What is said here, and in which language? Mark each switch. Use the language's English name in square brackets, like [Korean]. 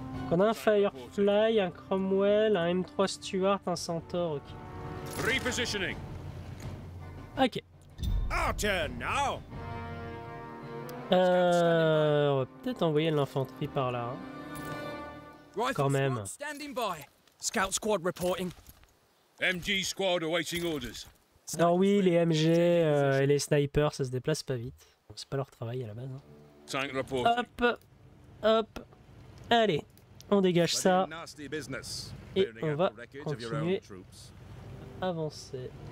[French] On a un Firefly, un Cromwell, un M3 Stuart, un Centaur. [English] Okay. Repositioning. [French] Ok. [English] Our turn now. [French] On va peut-être envoyer l'infanterie par là. Hein. Quand même. [English] Standing by. Scout squad reporting. MG squad awaiting orders. [French] Alors oui, les MG et les snipers, ça se déplace pas vite. C'est pas leur travail à la base. Hein. [English] Tank report. [French] Hop, hop. Allez, on dégage ça. Et on va continuer à avancer.